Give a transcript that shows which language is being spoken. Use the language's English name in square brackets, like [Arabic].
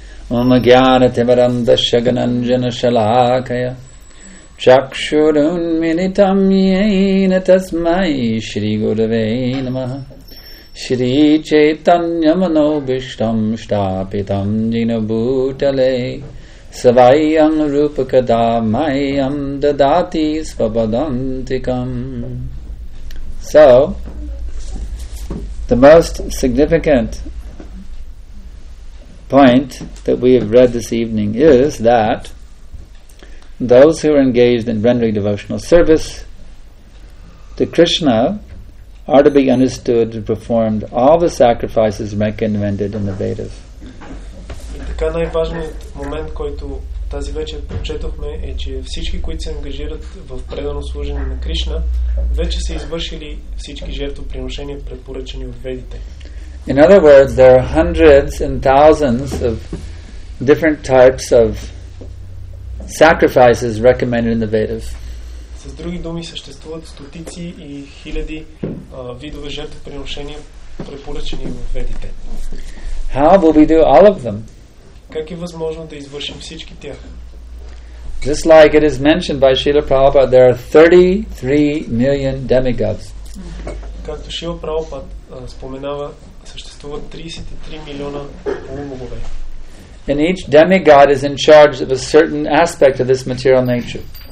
[Sanskrit] Омагяна темаранда шагананджана шалакая чакшурунминитам йена тасмай шри гурве намаха шри чайтанья манобиштам штапитам динабутале Savayam Rupakada Mayam Dadati Svabadantikam. [English] So, the most significant point that we have read this evening is that those who are engaged in rendering devotional service to Krishna are to be understood to perform all the sacrifices recommended in the Vedas. [Bulgarian] Така най-важният момент, който тази вечер прочетохме, е, че всички, които се ангажират в предано служение на Кришна, вече са извършили всички жертвоприношения, препоръчени от ведите. [English] In other words, there are hundreds and thousands of different types of sacrifices recommended in the Vedas. [Bulgarian] С други думи, съществуват стотици и хиляди видове жертвоприношения, препоръчени в ведите. [English] How will we do all of them? [Bulgarian] Как е възможно да извършим всички тях? [English] Just like it is mentioned by Srila Prabhupada, there are 33 million demigods. [Bulgarian] Както Шрила Прабхупад споменава, съществуват 33 милиона полубогове. [English] And each demigod is in charge of a certain aspect of this material nature.